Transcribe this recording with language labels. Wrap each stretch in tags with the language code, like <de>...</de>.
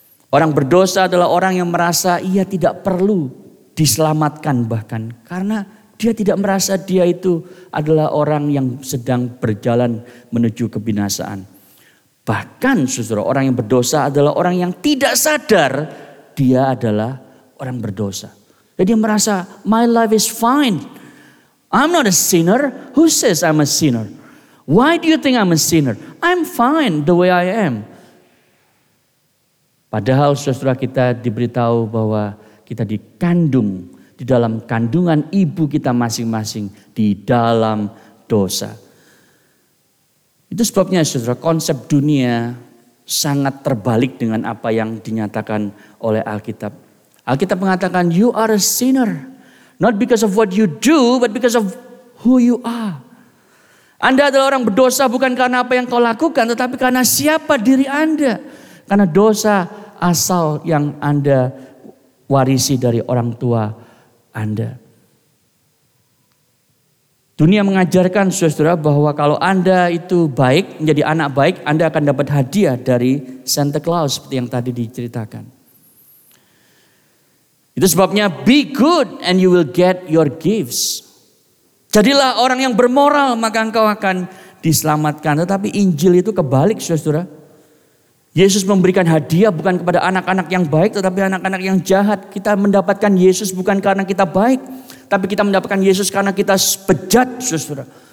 <id>Orang berdosa adalah orang yang merasa ia tidak perlu diselamatkan bahkan. Karena dia tidak merasa dia itu adalah orang yang sedang berjalan menuju kebinasaan. Bahkan saudara, orang yang berdosa adalah orang yang tidak sadar dia adalah orang berdosa. Jadi dia merasa,</id> <en>my life is fine. I'm not a sinner. Who says I'm a sinner? Why do you think I'm a sinner? I'm fine the way I am.</en> <id>Padahal saudara, kita diberitahu bahwa kita dikandung di dalam kandungan ibu kita masing-masing di dalam dosa. Itu sebabnya saudara, konsep dunia sangat terbalik dengan apa yang dinyatakan oleh Alkitab. Alkitab mengatakan,</id> <en>you are a sinner. Not because of what you do, but because of who you are.</en> <id>Anda adalah orang berdosa bukan karena apa yang kau lakukan, tetapi karena siapa diri Anda. Karena dosa asal yang Anda warisi dari orang tua Anda. Dunia mengajarkan saudara bahwa kalau Anda itu baik, menjadi anak baik, Anda akan dapat hadiah dari Santa Claus seperti yang tadi diceritakan. Itu sebabnya,</id> <en>be good and you will get your gifts.</en> <id>Jadilah orang yang bermoral, maka engkau akan diselamatkan. Tetapi Injil itu kebalik saudara. Yesus memberikan hadiah bukan kepada anak-anak yang baik, tetapi anak-anak yang jahat. Kita mendapatkan Yesus bukan karena kita baik, tapi kita mendapatkan Yesus karena kita bejat, saudara.</id>